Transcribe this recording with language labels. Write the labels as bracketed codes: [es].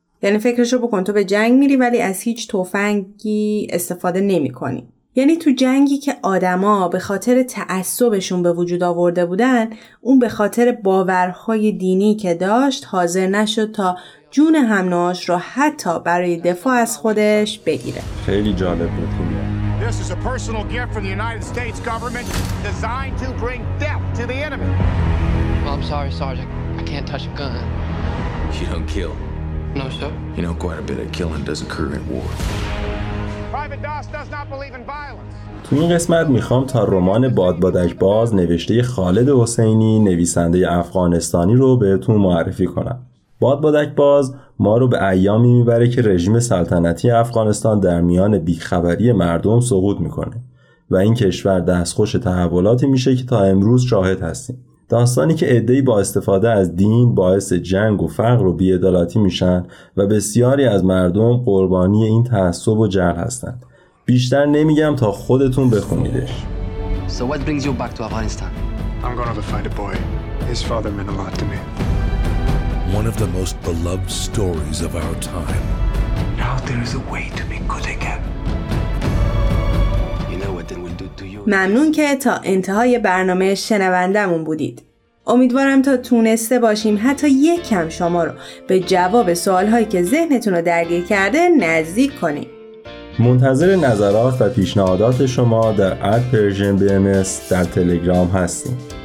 [fa] یعنی فکرشو بکن، تو به جنگ میری ولی از هیچ تفنگی استفاده نمی کنی. یعنی تو جنگی که آدم ها به خاطر تعصبشون به وجود آورده بودن، اون به خاطر باورهای دینی که داشت حاضر نشد تا جون همناش رو حتی برای دفاع از خودش بگیره. خیلی جالب بود. [en] This is a personal gift from the United States government designed to bring death to the enemy. Well, I'm sorry, Sergeant. I can't touch a gun. You don't kill. No, sir. You know, quite a bit of killing does occur in war. Private Doss does not believe in violence. [fa] تو این قسمت میخوام تا رمان بادبادک باز نوشته خالد حسینی نویسنده افغانستانی رو بهتون معرفی کنم. بادبادک باز ما رو به ایامی میبره که رژیم سلطنتی افغانستان در میان بیخبری مردم سقوط میکنه و این کشور دستخوش تحولاتی میشه که تا امروز شاهد هستیم. داستانی که عده‌ای با استفاده از دین باعث جنگ و فقر و بی‌عدالتی میشن و بسیاری از مردم قربانی این تعصب و جهل هستند. بیشتر نمیگم تا خودتون بخونیدش. [en] So what brings you back to Afghanistan? I'm going to find a boy. His father meant a lot to me. One of the most beloved stories of our time. Now there is a way to be good again. You know what they will do to you. [fa] ممنون که تا انتهای برنامه شنوندمون بودید. امیدوارم تا تونسته باشیم حتی یک کم شما رو به جواب سوالهایی که ذهنتون رو درگیر کرده نزدیک کنیم. منتظر نظرات و پیشنهادات شما در @persianbms در تلگرام هستیم.